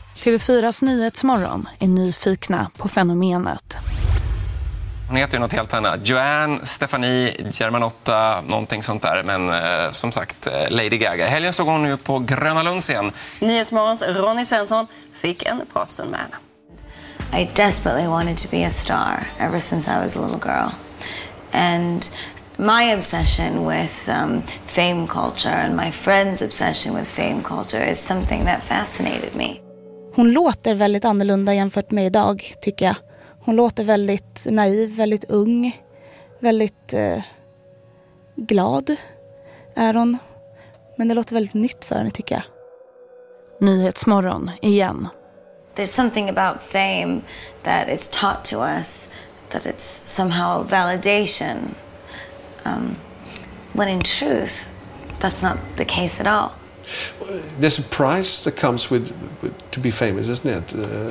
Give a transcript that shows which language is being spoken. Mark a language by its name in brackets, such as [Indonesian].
[Swedish] TV4s nyhetsmorgon är nyfikna på fenomenet. Hon heter ju något helt annat. Joanne, Stephanie, Germanotta, någonting sånt där. Men som sagt, Lady Gaga. Helgen stod hon nu på Gröna Lunds igen. Nyhetsmorgons Ronny Svensson fick en pratstund med henne. [English] I desperately wanted to be a star ever since I was a little girl. And my obsession with fame culture and my friend's obsession with fame culture is something that fascinated me. [Swedish] Hon låter väldigt annorlunda jämfört med idag, tycker jag. Hon låter väldigt naiv, väldigt ung, väldigt glad är hon. Men det låter väldigt nytt för henne, tycker jag. Nyhetsmorgon igen. [English] There's something about fame that is taught to us, that it's somehow validation. When in truth, that's not the case at all. There's a price that comes with to be famous, isn't it?